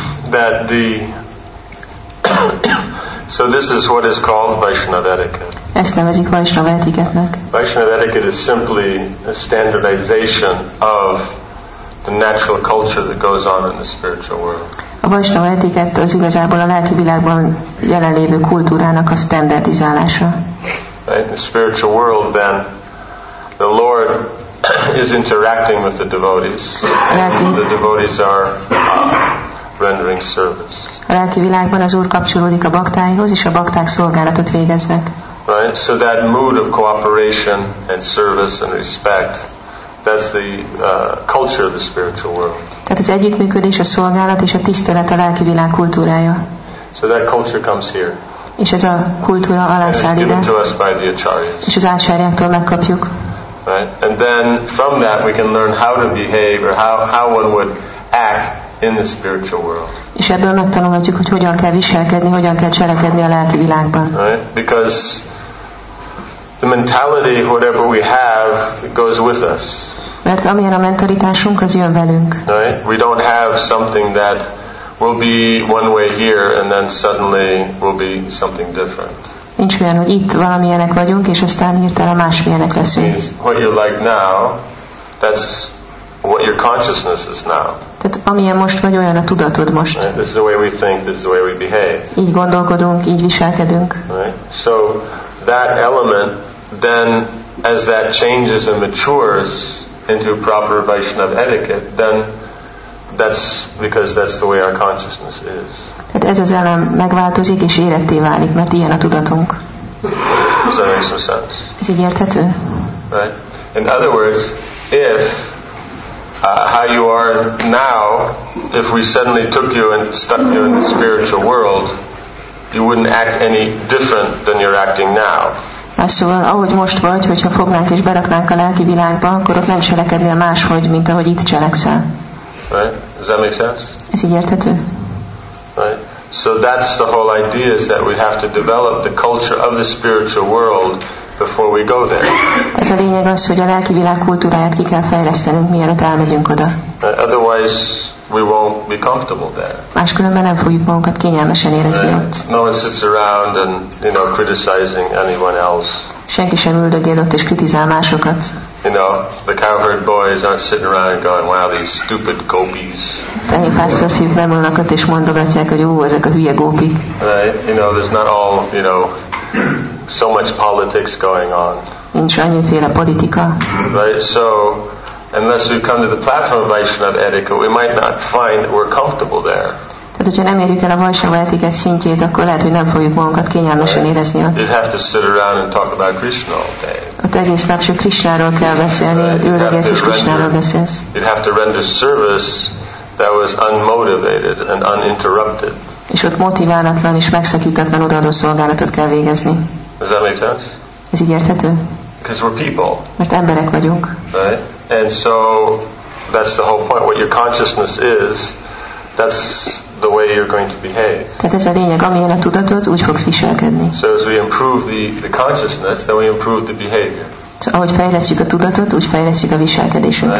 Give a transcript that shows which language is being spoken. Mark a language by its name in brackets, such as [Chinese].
[English] That the so this is what is called Vaishnava etiquette. [Hungarian] Ezt nevezik Vaishnava etiketnek. [English] Vaishnava etiquette is simply a standardization of the natural culture that goes on in the spiritual world. [Hungarian] A Vaishnava etikett az igazából a lelki világban jelenlévő kultúrának a standardizálása. [English] In the spiritual world, then, the Lord is interacting with the devotees, and the devotees are rendering service. [Hungarian] A lelki világban az Úr kapcsolódik a baktáihoz, és a bakták szolgálatot végeznek. [English] Right, so that mood of cooperation and service and respect, that's the culture of the spiritual world. [Hungarian] Tehát az együttműködés, a szolgálat és a tisztelet a lelki világ kultúrája. [English] So that culture comes here. [Hungarian] És ez a kultúra alászáll ide. [English] Given to us by the acharyas. [Hungarian] És az ácsáriáktól megkapjuk. [English] Right, and then from that we can learn how to behave or how one would act in the spiritual world. [Hungarian] És ebből megtanulhatjuk, hogy hogyan kell viselkedni, hogyan kell cselekedni a lelki világban. [English] Right, because the mentality, whatever we have, it goes with us. [Hungarian] Mert amilyen a mentalitásunk, az jön velünk. [English] Right? We don't have something that will be one way here and then suddenly will be something different. [Hungarian] Nincs olyan, hogy itt valamilyenek vagyunk, és aztán hirtelen másmilyenek leszünk. [English] What you like now, that's what your consciousness is now. [Hungarian] Tehát amilyen most vagy, olyan a tudatod most. [English] Right? This is the way we think, this is the way we behave. [Hungarian] Így gondolkodunk, így viselkedünk. [English] Right? So that element, then, as that changes and matures into a proper Vaishnava etiquette, then that's because that's the way our consciousness is. [Hungarian] Tehát ez az elem megváltozik és életté válik, mert ilyen a tudatunk. [English] Does that make some sense? [Hungarian] Ez így érthető? [English] Right. In other words, if how you are now, if we suddenly took you and stuck you in the spiritual world, you wouldn't act any different than you're acting now. [Hungarian] Szóval, ahogy most vagy, hogyha fognánk és beraknánk a lelki világba, akkor ott nem cselekednél máshogy, mint ahogy itt cselekszel. [English] Right? Does that make sense? [Hungarian] Ez így érthető? [English] Right? So that's the whole idea, is that we have to develop the culture of the spiritual world before we go there. [Hungarian] Ez a lényeg az, hogy a lelki világ kultúráját ki kell fejlesztenünk, mielőtt elmegyünk oda. [English] Otherwise, we won't be comfortable there. [Hungarian] Máskülönben nem fogjuk magunkat kényelmesen érezni ott. [English] No one sits around and, you know, criticizing anyone else. [Hungarian] Senki sem üldögél ott és kritizál másokat. [English] You know, the cowherd boys aren't sitting around going, wow, these stupid gopis. [Hungarian] Fehérpásztor fiúk nem ülnek ott és mondogatják, hogy ó, ezek a hülye gópik. [English] Right? You know, there's not all, you know, so much politics going on. [Hungarian] Nincs annyiféle politika. [English] Right? So, unless we come to the platform of Vaishnava etiquette, we might not find that we're comfortable there. [Hungarian] Tehát, hogyha nem érjük el a Vaishnava etiquette szintjét, akkor lehet, hogy nem fogjuk magunkat kényelmesen érezni ott. [English] You'd have to sit around and talk about Krishna all day. [Hungarian] Ott egész nap csak Krishnáról kell beszélni, hogy üldögélsz és Krishnáról beszélsz. [English] You'd have to render service that was unmotivated and uninterrupted. [Hungarian] És ott motiválatlan és megszakítatlan odaadó szolgálatot kell végezni. [English] Does that make sense? [Hungarian] Ez így érthető? [English] Because we're people. [Hungarian] Mert emberek vagyunk. [English] Right? And so that's the whole point. What your consciousness is, that's the way you're going to behave. [Hungarian] Tehát ez a lényeg, amilyen a tudatod, úgy fogsz viselkedni. [English] So as we improve the consciousness, then we improve the behavior. [Hungarian] Ahogy fejlesztjük a tudatot, úgy fejlesztjük a viselkedésünket.